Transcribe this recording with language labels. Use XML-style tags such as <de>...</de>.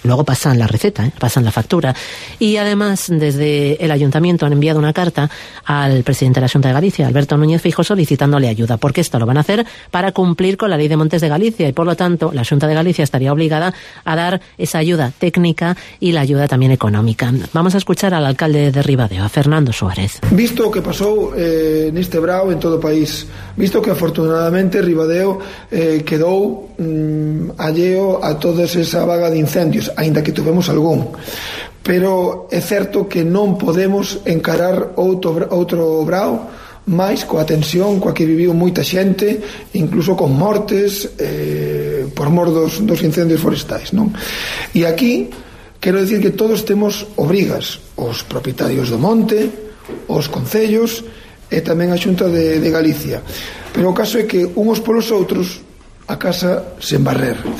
<es>Luego pasan la receta, pasan la factura. Y además, desde el ayuntamiento han enviado una carta al presidente de la Xunta de Galicia, Alberto Núñez Feijóo, solicitándole ayuda, porque esto lo van a hacer para cumplir con la Ley de Montes de Galicia y, por lo tanto, la Xunta de Galicia estaría obligada a dar esa ayuda técnica y la ayuda también económica. Vamos a escuchar al alcalde de Ribadeo, a Fernando Suárez.</es> <gl>Visto o que pasou neste brao en todo o país, visto que afortunadamente Ribadeo quedou alleo a toda esa vaga de incendios, aínda que tuvemos algún, pero é certo que non podemos encarar outro brao máis coa tensión coa que viviu moita xente, incluso con mortes por mor dos incendios forestais, non? E aquí quero decir que todos temos obrigas, os propietarios do monte, os concellos e tamén a Xunta de Galicia. Pero o caso é que unhos polos outros a casa sen barrer.</gl>